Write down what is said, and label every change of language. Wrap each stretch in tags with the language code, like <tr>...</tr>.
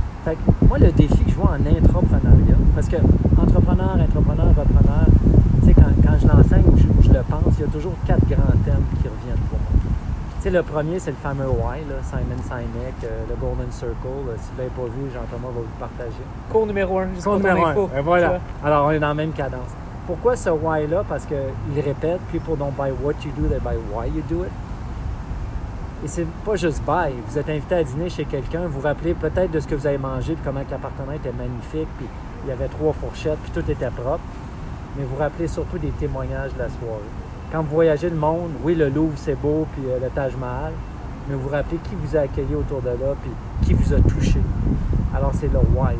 <fr>Fait que moi, le défi que je vois en intrapreneuriat, parce que entrepreneur, entrepreneur, repreneur, tu sais, quand je l'enseigne ou je le pense, il y a toujours quatre grands thèmes qui reviennent pour moi. Tu sais, le premier, c'est le fameux why, là, Simon Sinek, le Golden Circle. Là, si vous l'avez pas vu, Jean-Thomas va vous partager. Cours numéro un. Cours numéro un. Et voilà. Alors, on est dans la même cadence. Pourquoi ce why-là? Parce qu'il répète,</fr> <en>people don't buy what you do, they buy why you do it.</en> <fr>Et c'est pas juste buy. Vous êtes invité à dîner chez quelqu'un, vous rappelez peut-être de ce que vous avez mangé, puis comment l'appartement était magnifique, puis il y avait trois fourchettes, puis tout était propre. Mais vous rappelez surtout des témoignages de la soirée. Quand vous voyagez le monde, oui, le Louvre, c'est beau, puis le Taj Mahal, mais vous rappelez qui vous a accueilli autour de là, puis qui vous a touché. Alors, c'est le why.</fr>